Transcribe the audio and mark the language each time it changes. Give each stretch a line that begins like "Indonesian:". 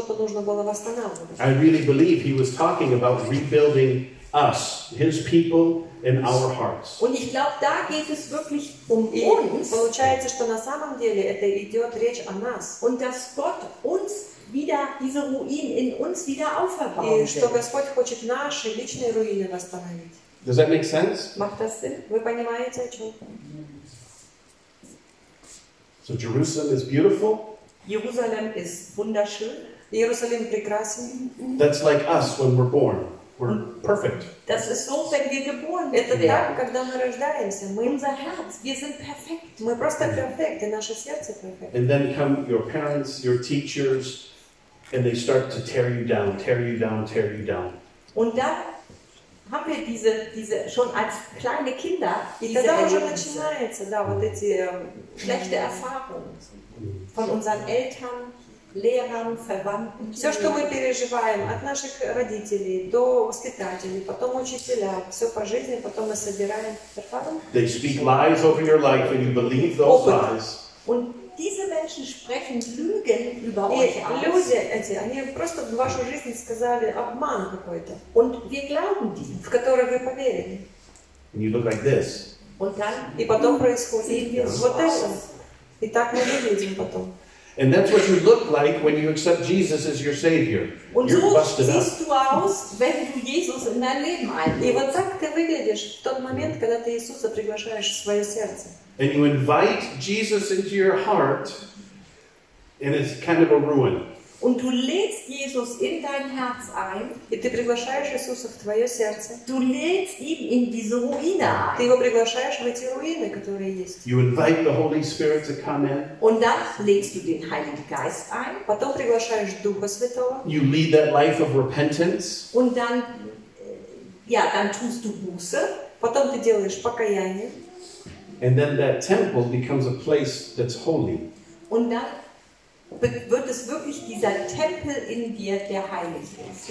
English: I really believe he was talking about rebuilding us, his people, in our hearts.
German: Und ich glaube, da geht es wirklich um uns.
Russian: Получается, что на самом деле это идет речь о нас.
German: Und dass Gott uns wieder diese Ruinen in uns wieder auferbauen will.
Russian: Что Господь хочет наши личные руины восстановить.
English: Does that make sense?
German: Macht das Sinn?
Russian: Вы понимаете, о чем?
English: So Jerusalem is beautiful.
German: Jerusalem ist wunderschön.
Russian: Jerusalem прекрасен.
English: That's like us when we're born. We're perfect.
German: Das ist so, wenn wir geboren werden.
Russian: Это так, когда мы рождаемся. Мы
German: unser Herz, wir sind perfekt.
Russian: Мы просто перфект, и наше сердце перфект.
English: And then come your parents, your teachers, and they start to tear you down, tear you down, tear you down.
German: Und da haben wir diese schon als kleine Kinder, diese da schon
Russian: начинается, да, вот эти
German: schlechte Erfahrungen von unseren Eltern. Lehrern, Verwandten.
Russian: Все, что мы переживаем от наших родителей до воспитателей, потом учителя, все по жизни, потом мы собираем.
English: They speak lies over your life and you believe those lies.
German: Und diese Menschen sprechen Lügen über euch aus.
Russian: Люди эти, они просто в вашу жизнь сказали обман какой-то.
German: Und wir glauben die,
Russian: в который вы поверили.
English: And you look like this.
German: Und dann,
Russian: и потом происходит вот это. И так мы выглядим потом.
English: And that's what you look like when you accept Jesus as your Savior.
German: Und so siehst du aus, wenn du Jesus in dein Leben einlädst.
Russian: И вот так ты выглядишь в тот момент, когда ты Иисуса приглашаешь в свое сердце.
English: And you invite Jesus into your heart, and it's kind of a ruin.
German: Und du lädst Jesus in dein Herz ein.
Russian: И ты приглашаешь Иисуса в твое сердце.
German: Du lädst ihn in diese Ruine ein.
Russian: Ты его приглашаешь в эти руины, которые есть.
English: You invite the Holy Spirit to come in.
German: Und dann lädst du den Heiligen Geist ein.
Russian: Потом приглашаешь Духа Святого.
English: You lead that life of repentance.
German: Und dann, ja, dann tust du Buße.
Russian: Потом ты делаешь покаяние.
English: And then that temple becomes a place that's holy.
German: Und dann wird es wirklich dieser Tempel in dir, der heilig ist.